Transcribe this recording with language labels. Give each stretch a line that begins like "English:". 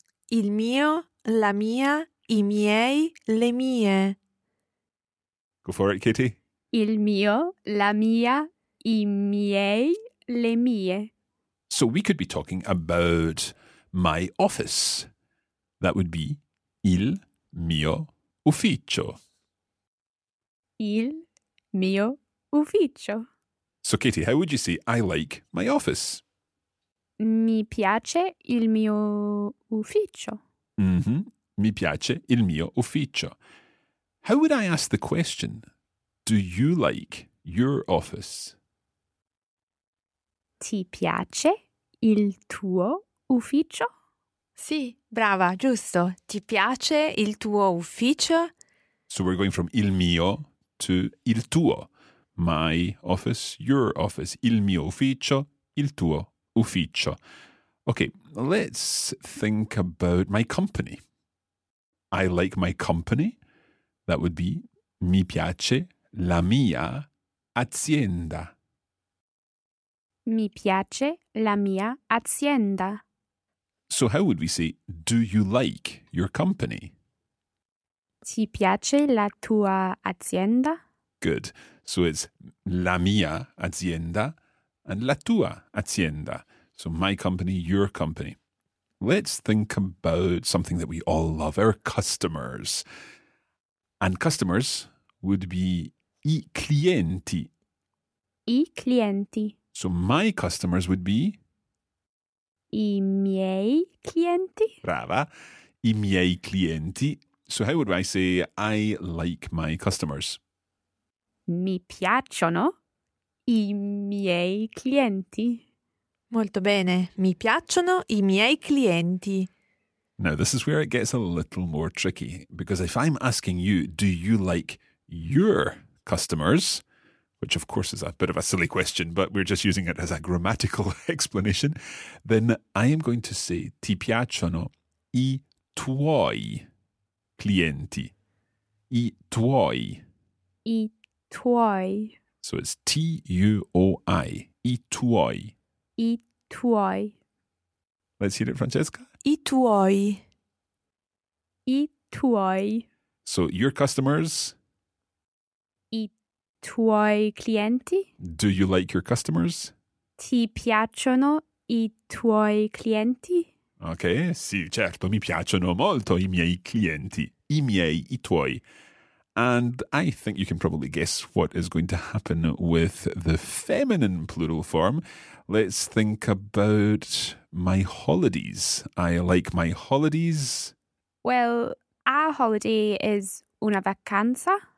Italian: Il mio, la mia, i miei, le mie.
English: Go for it, Kitty.
Italian: Il mio, la mia, i miei, le mie.
English: So, we could be talking about my office. That would be
Italian: il mio ufficio. Il mio ufficio.
English: So, Katie, how would you say I like my office?
Italian: Mi piace il mio ufficio. Mm-hmm. Mi piace il mio ufficio.
English: How would I ask the question, do you like your office?
Italian: Ti piace il tuo ufficio? Sì, brava, giusto. Ti piace il tuo ufficio?
English: So we're going from il mio to il tuo. My office, your office.
Italian: Il mio ufficio, il tuo ufficio.
English: Okay, let's think about my company. I like my company. That would be
Italian: mi piace la mia azienda. Mi piace la mia azienda.
English: So how would we say, do you like your company?
Italian: Ti piace la tua azienda?
English: Good. So it's
Italian: la mia azienda
English: and
Italian: la tua azienda.
English: So my company, your company. Let's think about something that we all love, our customers. And customers would be
Italian: i clienti. I clienti.
English: So my customers would be?
Italian: I miei clienti. Brava. I miei clienti.
English: So how would I say I like my customers?
Italian: Mi piacciono i miei clienti. Molto bene. Mi piacciono i miei clienti.
English: Now, this is where it gets a little more tricky. Because if I'm asking you, do you like your customers? Which, of course, is a bit of a silly question, but we're just using it as a grammatical explanation. Then I am going to say,
Italian: ti piacciono i tuoi clienti. I tuoi. I tuoi.
English: So it's T-U-O-I. I tuoi.
Italian: I tuoi.
English: Let's hear it, Francesca.
Italian: I tuoi. I tuoi.
English: So your customers?
Italian: I tuoi clienti.
English: Do you like your customers?
Italian: Ti piacciono i tuoi clienti? Okay, sì, certo, mi piacciono molto i miei clienti. I miei, i tuoi.
English: And I think you can probably guess what is going to happen with the feminine plural form. Let's think about my holidays. I like my holidays. Well, a holiday is una vacanza.